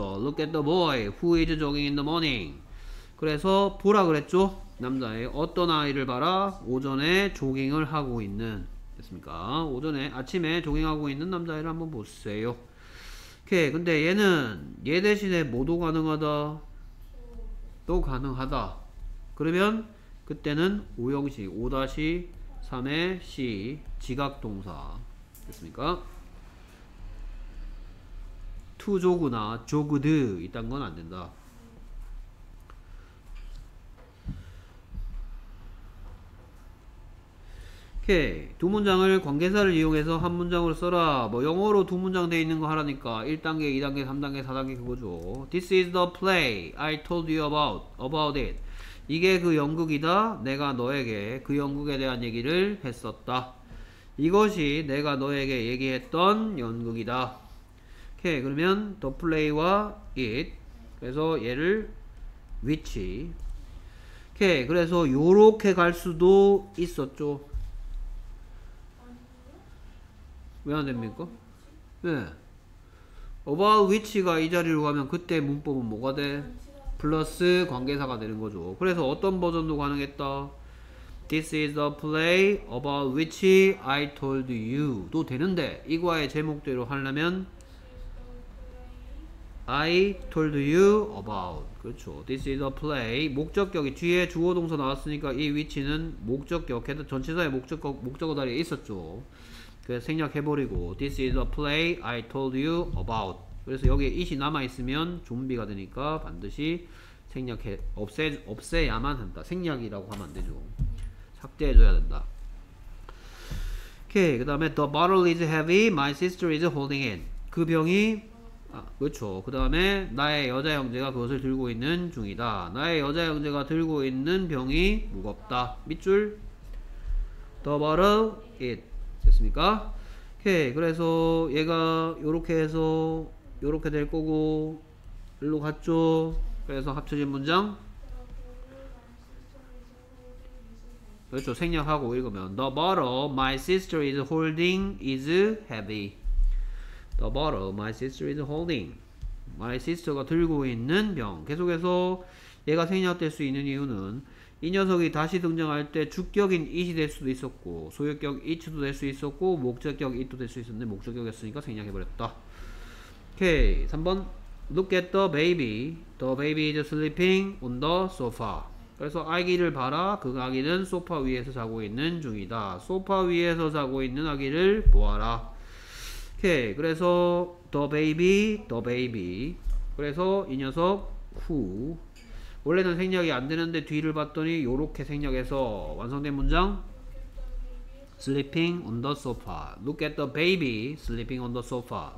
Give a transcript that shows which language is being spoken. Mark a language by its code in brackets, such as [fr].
[en] Look at the boy who is jogging in the morning. [ko] 그래서 보라 그랬죠? 남자의 어떤 아이를 봐라? 오전에 조깅을 하고 있는. 됐습니까? 오전에 아침에 조깅하고 있는 남자애를 한번 보세요. 오케이. 근데 얘는 얘 대신에 뭐도 가능하다? 또 가능하다. 그러면 그때는 5형식 5-3의 C 지각 동사. 됐습니까? 투조그나 조그드 이딴 건안 된다. 오케이. 두 문장을 관계사를 이용해서 한 문장으로 써라. 뭐 영어로 두 문장 돼 있는 거 하라니까. 1단계, 2단계, 3단계, 4단계 그거죠. [en] This is the play I told you about it. [ko] 이게 그 연극이다. 내가 너에게 그 연극에 대한 얘기를 했었다. 이것이 내가 너에게 얘기했던 연극이다. 오케이 그러면 the play와 it 그래서 얘를 which 오케이 그래서 요렇게 갈 수도 있었죠 왜안 됩니까? 왜? about which가 이 자리로 가면 그때 문법은 뭐가 돼? 플러스 관계사가 되는 거죠 그래서 어떤 버전도 가능했다 [en] This is the play about which I told you [ko] 도 되는데 이과의 제목대로 하려면 [en] I told you about. [ko] 그렇죠. [en] This is a play. [ko] 목적격이 뒤에 주어 동사 나왔으니까 이 위치는 목적격. 전치사의 목적어 자리에 있었죠. 그래서 생략해버리고. [en] This is a play I told you about. [ko] 그래서 여기에 it이 남아있으면 좀비가 되니까 반드시 없애야만 한다. 생략이라고 하면 안 되죠. 삭제해줘야 된다. 오케이. 그 다음에 [en] The bottle is heavy. My sister is holding it. [ko] 그 병이 그렇죠. 그 다음에 나의 여자 형제가 그것을 들고 있는 중이다. 나의 여자 형제가 들고 있는 병이 무겁다. 밑줄 더 바로 it 됐습니까? 오케이. 그래서 얘가 요렇게 해서 요렇게 될 거고 일로 갔죠. 그래서 합쳐진 문장 그렇죠. 생략하고 읽으면 [en] The bottle my sister is holding is heavy. The bottle my sister is holding. My sister가 [ko] 들고 있는 병. 계속해서 얘가 생략될 수 있는 이유는 이 녀석이 다시 등장할 때 주격인 it이 될 수도 있었고 소유격 it도 될 수 있었고 목적격 it도 될 수 있었는데 목적격이었으니까 생략해버렸다. [en] 오케이. 3번 Look at the baby. The baby is sleeping on the sofa. [ko] 그래서 아기를 봐라. 그 아기는 소파 위에서 자고 있는 중이다. 소파 위에서 자고 있는 아기를 보아라. [en] 오케이. 그래서 the baby, the baby. [ko] 그래서 이 녀석 who. 원래는 생략이 안 되는데 뒤를 봤더니 요렇게 생략해서 완성된 문장. [en] Sleeping on the sofa. Look at the baby sleeping on the sofa.